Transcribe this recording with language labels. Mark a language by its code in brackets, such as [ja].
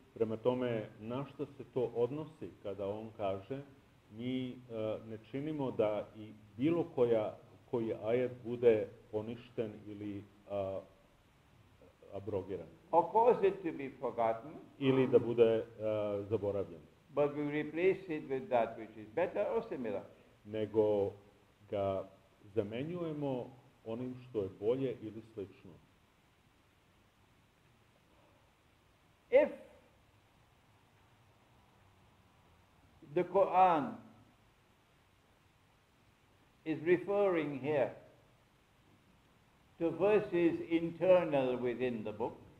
[sr] Prema tome, na što se to odnosi kada on kaže, mi ne činimo da i bilo koji ajet bude poništen ili abrogiran. [en] Or cause it to be forgotten. [sr] Ili da bude zaboravljen. [en] But we replace it with that which is better or similar. [sr] Nego ga zamenjujemo onim što je bolje ili slično. [en] If the Quran is referring here to verses internal within the book,